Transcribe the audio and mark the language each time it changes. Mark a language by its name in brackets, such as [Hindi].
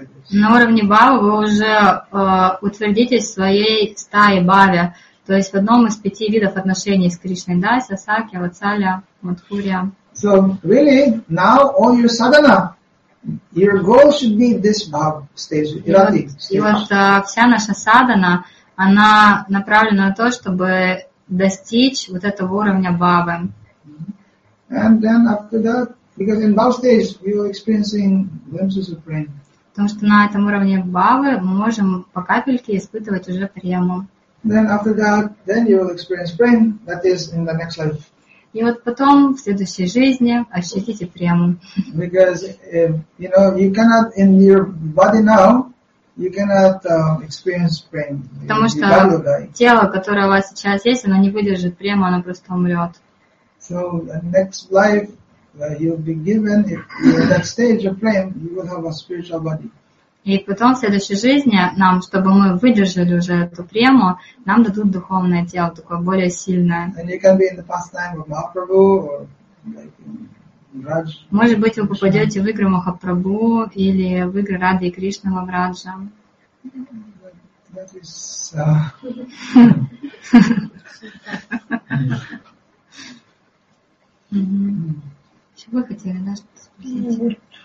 [Russian] на уровне бхавы вы уже утвердитесь в своей стае бхаве, то есть в одном из пяти видов отношений с Кришной, да, сасакья, ватсалья, мадхурья. [English] So really, now all your sadhana, your goal should be this bhava stage, rati stage. [Russian] И вот вся наша садхана, она направлена на то, чтобы достичь вот этого уровня бхавы. [English] And then after that, because in bhava stage you are experiencing glimpses of prema. [Russian] Потому что на этом уровне бхавы мы можем по капельке испытывать уже прему. [English] Then after that, then you will experience prema, that is in the next life. [Russian] И вот потом в следующей жизни ощутите прему. [English] Because you know you cannot in your body now you cannot experience prema. [Russian] Потому что тело, которое у вас сейчас есть, оно не выдержит прему, оно просто умрет. [English] So the next life, you'll be given if you're at that stage of prem, you will have a spiritual body. [Russian] И потом в следующей жизни нам, чтобы мы выдержали уже эту прему, нам дадут духовное тело, такое более сильное. [English] And you can be in the pastime of Mahaprabhu or like in Raj. [Russian] Может быть, вы попадете в игры Махапрабху или в игры Рады и Кришны в Раджа. [English] That is [Russian] Чего вы хотели, да, что-то спросить?